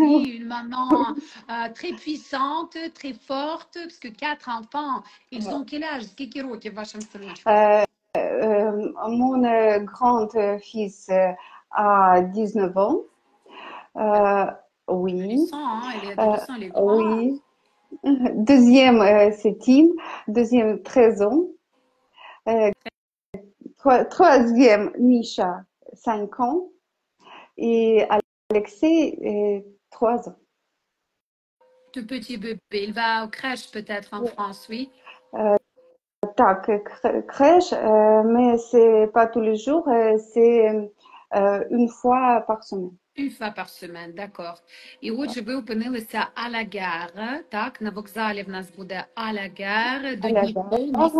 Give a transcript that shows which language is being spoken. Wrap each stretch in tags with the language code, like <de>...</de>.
<fr>oui, une maman très puissante, très forte, parce que quatre enfants, ils ont quel âge?</fr> <uk>Скільки років вашим синочкам?</uk> <fr>Mon grand-fils a 19 ans. Oui. Adolescent, hein? Elle est adolescent, elle est grande. Oui. Deuxième, c'est Tim. Deuxième, 13 ans. Troisième, Misha, 5 ans. Et Alexei, 3 ans. Tout petit bébé, il va au crèche peut-être en France, oui. Tac, crèche, mais c'est pas tous les jours, c'est une fois par semaine. Une fois par semaine, d'accord.</fr> <uk>І отже, ви опинилися</uk> <fr>à la gare,</fr> <uk>так, на вокзалі в нас буде</uk> <fr>à la gare de Dnipro,</fr> <uk>місто</uk>